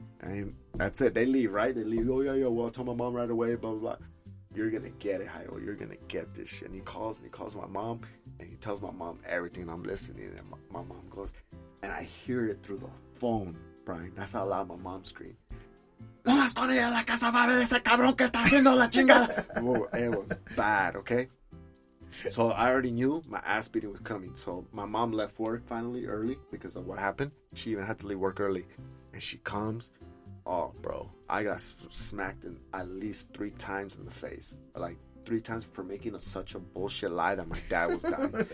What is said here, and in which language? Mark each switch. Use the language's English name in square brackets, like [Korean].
[English] And that's it. They leave, right? They leave. Oh, yeah, well, I'll tell my mom right away, blah, blah, blah. You're going to get it, Hayo. You're going to get this shit. And he calls my mom, and he tells my mom everything. I'm listening, and my mom goes, and I hear it through the phone, Brian. That's how loud my mom screamed. [Spanish] No más con ella a la casa va a ver ese cabrón que está haciendo la chingada. [English] It was bad, okay? So I already knew my ass beating was coming. So my mom left work finally early because of what happened. She even had to leave work early. And she comes. Oh, bro. I got smacked in at least 3 times in the face. Like 3 times for making such a bullshit lie that my dad was dying.